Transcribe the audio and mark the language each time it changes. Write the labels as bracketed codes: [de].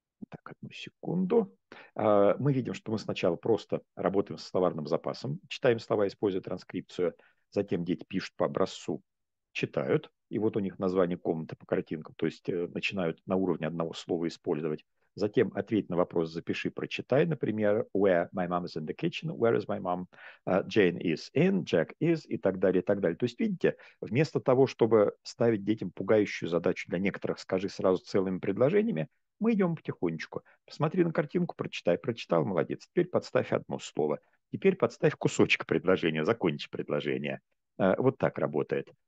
[ru] Так, одну секунду. Мы видим, что мы сначала просто работаем с словарным запасом, читаем слова, используя транскрипцию. Затем дети пишут по образцу, читают. И вот у них название комнаты по картинкам, то есть начинают на уровне одного слова использовать. Затем ответь на вопрос, запиши, прочитай. [en] Например, where my mom is in the kitchen, where is my mom? Jane is in, Jack is, [ru] и так далее, и так далее. То есть, видите, вместо того, чтобы ставить детям пугающую задачу для некоторых, скажи сразу целыми предложениями, мы идем потихонечку. Посмотри на картинку, прочитай. Прочитал, молодец. Теперь подставь одно слово. Теперь подставь кусочек предложения, закончи предложение. Вот так работает.